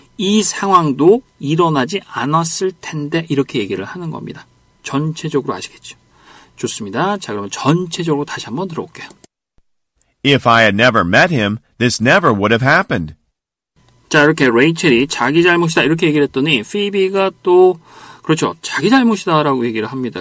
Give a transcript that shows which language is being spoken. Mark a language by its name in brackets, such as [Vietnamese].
[Korean] 이 상황도 일어나지 않았을 텐데 이렇게 얘기를 하는 겁니다. 전체적으로 아시겠죠? 좋습니다. 자, 그러면 전체적으로 다시 한번 들어볼게요. [English] If I had never met him, this never would have happened. [Korean] 자, 이렇게 레이첼이 자기 잘못이다 이렇게 얘기를 했더니 피비가 또 그렇죠. 자기 잘못이다라고 얘기를 합니다.